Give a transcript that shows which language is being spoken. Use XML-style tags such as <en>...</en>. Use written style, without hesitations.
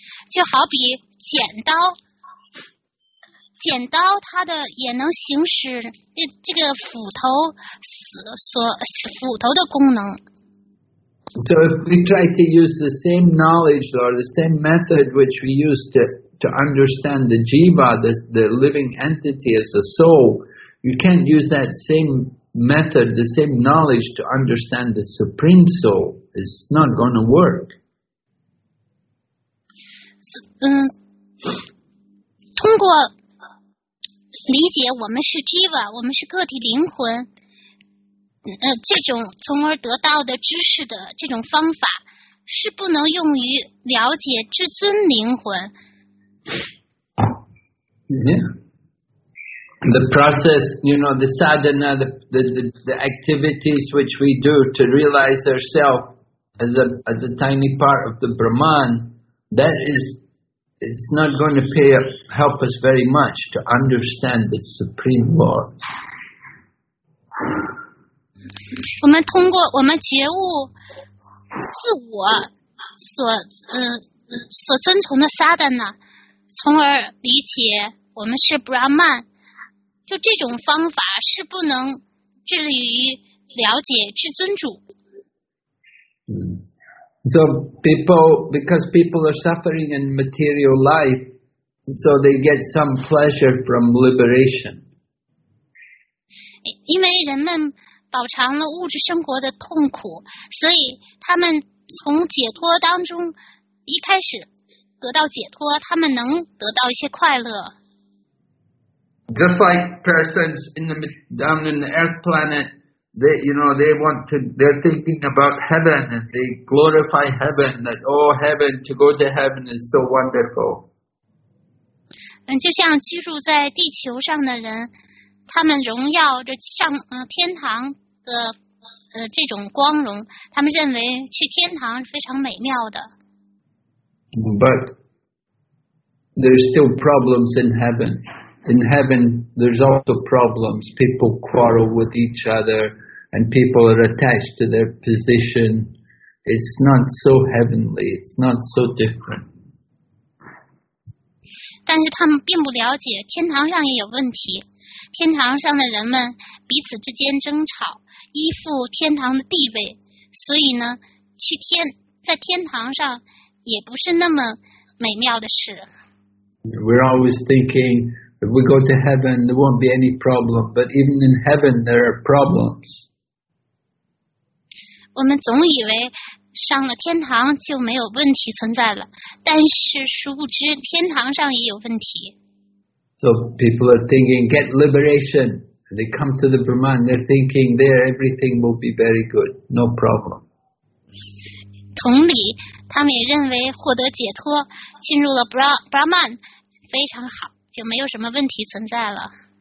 <zh>就好比剪刀它的也能行使这个斧头的功能。</zh> <en>So if we try to use the same knowledge or the same method which we use to understand the jiva, the living entity as a soul, you can't use that same method, the same knowledge to understand the supreme soul. It's not going to work.</en> <zh>通过理解我们是 jiva， 我们是个体灵魂。这种从而得到的知识的这种方法是不能用于了解至尊灵魂。</zh> <en>Yeah. The process, you know, the sadhana, the activities which we do to realize ourselves as a tiny part of the Brahman, that is, it's not going to help us very much to understand the Supreme Lord.</en> <zh>我们通过我们觉悟自我所遵从的撒旦呢，从而理解我们是布拉曼，就这种方法是不能致力于了解至尊主。</zh> <en>So people, because people are suffering in material life, so they get some pleasure from liberation.</en> <zh>因为人们饱尝了物质生活的痛苦，所以他们从解脱当中一开始得到解脱，他们能得到一些快乐。</zh> <en>Just like persons in the, down in the earth planet, they, you know, they want to, they're thinking about heaven and they glorify heaven, that, oh, heaven, to go to heaven is so wonderful.</en> <zh>就像居住在地球上的人，他们荣耀着上天堂的这种光荣，他们认为去天堂是非常美妙的。</zh> <en>But there's still problems in heaven. In heaven, there's also problems. People quarrel with each other, and people are attached to their position. It's not so heavenly. It's not so different.</en> <zh>但是他们并不了解，天堂上也有问题。天堂上的人们彼此之间争吵，依附天堂的地位，所以呢，去天在天堂上也不是那么美妙的事。</zh> <en>We're always thinking if we go to heaven, there won't be any problem. But even in heaven, there are problems.</en> <zh>我们总以为上了天堂就没有问题存在了，但是殊不知天堂上也有问题。</zh> <en>So people are thinking, get liberation. They come to the Brahman. They're thinking there everything will be very good. No problem.</en> <zh>同理，他们也认为获得解脱，进入了 Brahman 非常好，就没有什么问题存在了。</zh>